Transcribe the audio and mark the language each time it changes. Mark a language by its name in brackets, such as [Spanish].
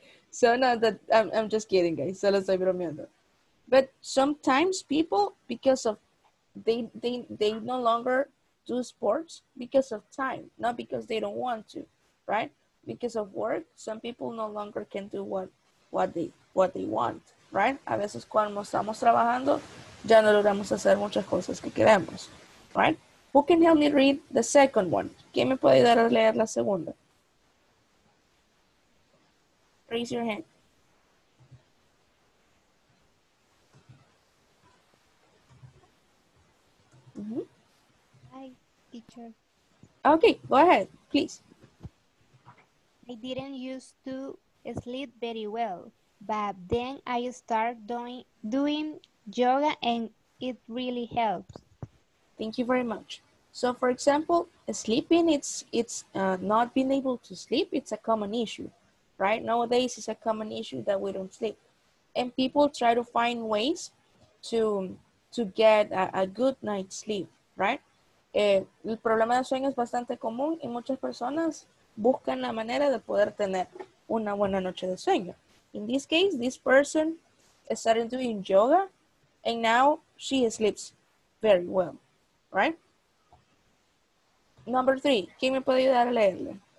[English] So no, that, I'm just kidding, guys. [Spanish] Solo estoy bromeando. [English] But sometimes people, because of, they no longer do sports because of time, not because they don't want to, right? Because of work, some people no longer can do what they want, right? [Spanish] A veces cuando estamos trabajando, ya no logramos hacer muchas cosas que queremos, right? [English] Who can help me read the second one? [Spanish] ¿Quién me puede ayudar a leer la segunda? [English] Raise your hand. Hi, teacher. Okay, go ahead, please. I didn't used to sleep very well, but then I start doing yoga and it really helps. Thank you very much. So for example, sleeping, it's not being able to sleep, it's a common issue, right? Nowadays it's a common issue that we don't sleep. And people try to find ways to get a good night's sleep, right? [Spanish] El problema de sueño es bastante común y muchas personas buscan la manera de poder tener una buena noche de sueño. [English] In this case, this person started doing yoga and now she sleeps very well, right? Number three, [Spanish] ¿quién me puede ayudar a leerle?